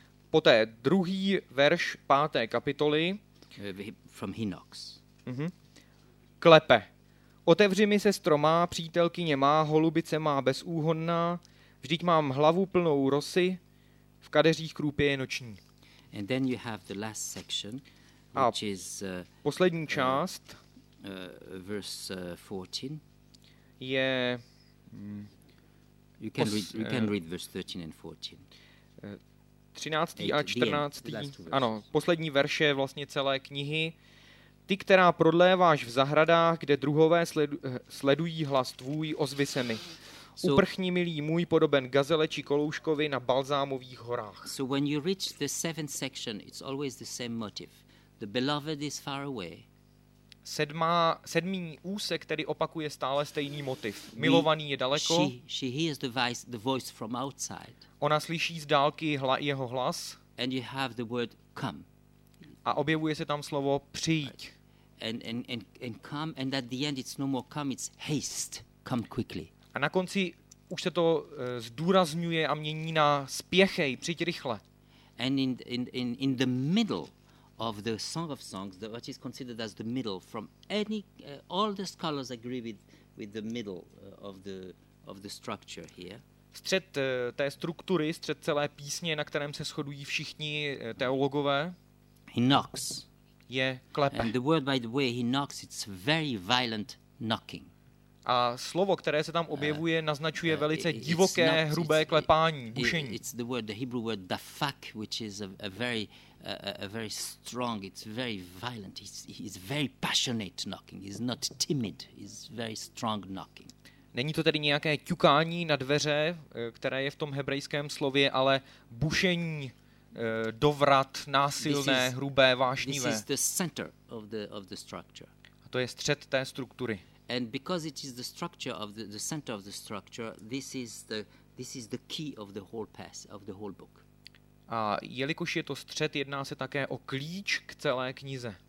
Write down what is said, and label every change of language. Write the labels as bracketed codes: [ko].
[cs] Poté druhý verš páté kapitoly [en] from Hinox. Mhm. [cs] Klepe. Otevři mi, sestro má, přítelkyně má, holubice má bezúhonná. Vždyť mám hlavu plnou rosy, v kadeřích krůpě je noční. [en] And then you have the last section, which is [cs] poslední část [en] verse 14. [cs] Je [en] you can read verse 13 and 14. [cs] 13. a 14. Ano, poslední verše vlastně celé knihy. Ty, která prodléváš v zahradách, kde druhové sledují hlas tvůj, ozvi se mi. Uprchni, milý můj, podoben gazele či kolouškovi na balzámových horách. [en] So when you reach the seventh section, it's always the same motif. The beloved is far away. [cs] Sedmý úsek, který opakuje stále stejný motiv. Milovaný je daleko. [en] She hears the voice from outside. [cs] Ona slyší z dálky jeho hlas. [en] And you have the word come. [cs] A objevuje se tam slovo přijď. [en] And come, and at the end it's no more come, it's haste, come quickly. [cs] A na konci už se to zdůrazňuje a mění na spěchej, přijď rychle. [en] And in the middle of the Song of Songs, what is considered as the middle, from any all the scholars agree with the middle of the structure here. [cs] Střed té struktury, střed celé písně, na kterém se shodují všichni teologové. [en] He knocks. [cs] Je klepe. [en] And the word, by the way, he knocks, it's very violent knocking. [cs] A slovo, které se tam objevuje, naznačuje velice divoké, hrubé klepání, bušení. [en] It's the word, the Hebrew word dafak, which is a very strong, it's very violent, it's very passionate knocking, it's not timid, it's very strong knocking. [cs] Není to tedy nějaké ťukání na dveře, které je v tom hebrejském slově, ale bušení, dovrat, násilné, hrubé, vášnivé. [en] This is the center of the structure. [cs] A to je střed té struktury. [en] And because it is the structure of the center of the structure, this is the key of the whole pass of the whole book. [cs] A jelikož je to střed, jedná se také o klíč k celé knize.